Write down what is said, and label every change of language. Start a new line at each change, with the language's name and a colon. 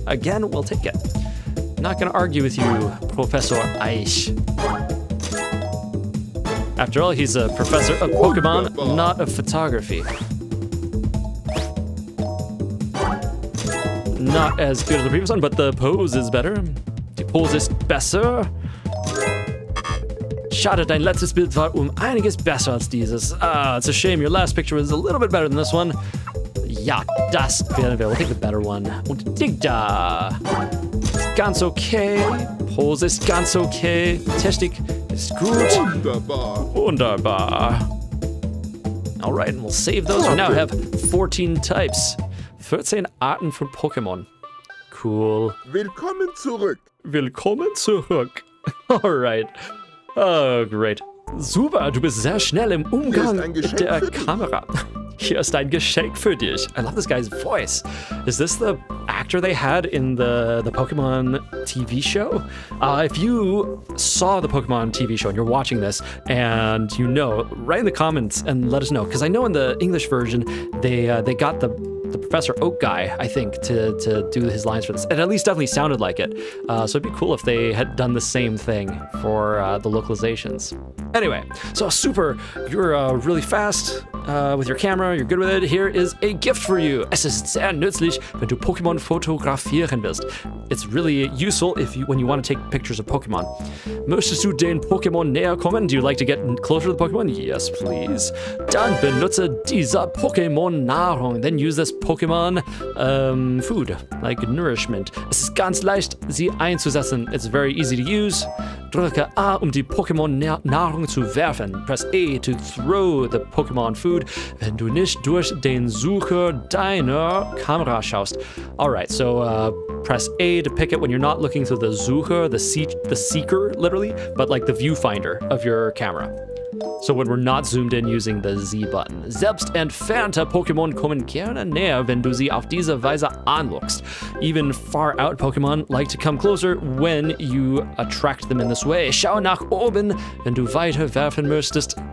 English: Again, we'll take it. Not gonna argue with you, Professor Eich. After all, he's a professor of Pokemon,
German: Wunderbar.
English: Not of photography. Not as good as the previous one, but the pose is better.
German: Die Pose ist besser. Schade, dein letztes Bild war einiges besser als dieses.
English: Ah, it's a shame, your last picture was a little bit better than this one.
German: Ja, das werden wir.
English: We'll take the better one.
German: Und dig da! Ganz okay. Pose ist ganz okay. Technik ist gut. Wunderbar. Wunderbar.
English: Alright, and we'll save those. We now have 14 types.
German: 14 Arten von Pokémon.
English: Cool.
German: Willkommen zurück. Willkommen zurück.
English: Alright. Oh, great.
German: Super, du bist sehr schnell im Umgang mit der Kamera. Hier ist ein Geschenk für dich.
English: I love this guy's voice. Is this the actor they had in the Pokemon TV show? If you saw the Pokemon TV show and you're watching this and you know, write in the comments and let us know. Because I know in the English version, they got the Professor Oak guy, I think, to do his lines for this. It at least definitely sounded like it. So it'd be cool if they had done the same thing for the localizations. Anyway, so super, you're really fast with your camera, you're good with it. Here is a gift for you.
German: Es ist sehr nützlich, wenn du Pokémon fotografieren willst.
English: It's really useful when you want to take pictures of Pokémon.
German: Möchtest du den Pokémon näher kommen?
English: Do you like to get closer to the Pokémon? Yes, please.
German: Dann benutze diese Pokémon Nahrung.
English: Then use this Pokémon food, like nourishment.
German: Es ist ganz leicht, sie einzusetzen.
English: It's very easy to use.
German: Drücke A, die Pokémon Nahrung zu werfen.
English: Press A to throw the Pokémon food,
German: wenn du nicht durch den Sucher deiner Kamera schaust.
English: Alright, so press A to pick it when you're not looking through the Sucher, the seeker, literally, but like the viewfinder of your camera. So when we're not zoomed in using the Z button.
German: Selbst entfernte Pokémon kommen gerne näher, wenn du sie auf diese Weise anlookst.
English: Even far out Pokémon like to come closer when you attract them in this way.
German: Schau nach oben, wenn du weiter werfen möchtest.